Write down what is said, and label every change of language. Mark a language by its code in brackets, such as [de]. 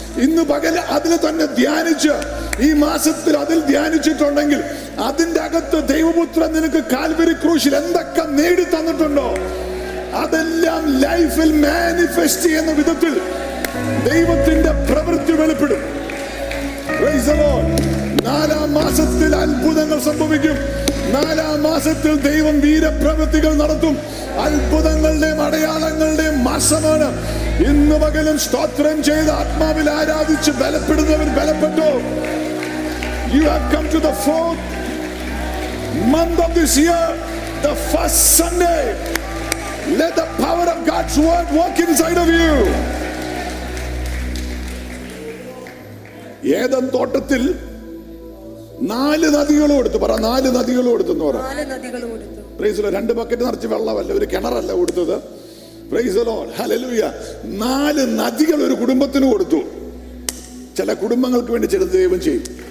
[ml] ഇന്ന് പകൽ അതിൽ തന്നെ ധ്യാനിച്ച്, ഈ മാസത്തിൽ അതിൽ ധ്യാനിച്ചിട്ടുണ്ടെങ്കിൽ അതിന്റെ അകത്ത് ദൈവപുത്രൻ നിനക്ക് കാൽവരി ക്രൂശിൽ എന്തൊക്കെ നേടി തന്നിട്ടുണ്ടോ അതെല്ലാം ലൈഫിൽ മാനിഫെസ്റ്റ് ചെയ്യുന്ന വിധത്തിൽ ദൈവത്തിന്റെ പ്രവൃത്തി വെളിപ്പെടും. [en] Praise the Lord. [ml] നാലാം മാസത്തിൽ അത്ഭുതങ്ങൾ സംഭവിക്കും. നാലാം മാസത്തിൽ ദൈവം വീരപ്രവൃത്തികൾ നടത്തും. അത്ഭുതങ്ങളുടെയും അടയാളങ്ങളുടെയും മാസമാണ്. ഇന്ന് പകലും സ്തോത്രം ചെയ്ത് ആത്മാവിൽ ആരാധിച്ച് ബലപ്പെടുന്നവർ ബലപ്പെട്ടു. [en] You have come to the fourth month of this year, the first Sunday. Let the power of God's word work inside of you. [ml] Eden തോട്ടത്തിൽ നാല് നദികളും എടുത്തു, പറ നാല് നദികളും എടുത്തു എന്ന് പറഞ്ഞു. [en] Praise the Lord. [ml] രണ്ട് ബക്കറ്റ് നിറച്ച് വെള്ളമല്ല, ഒരു കിണറല്ല കൊടുത്തത്. [en] praise the Lord, [ml] hallelujah. നാല് നദികൾ ഒരു കുടുംബത്തിന് കൊടുത്തു. ചില കുടുംബങ്ങൾക്ക് വേണ്ടി ചില ദൈവം ചെയ്യും.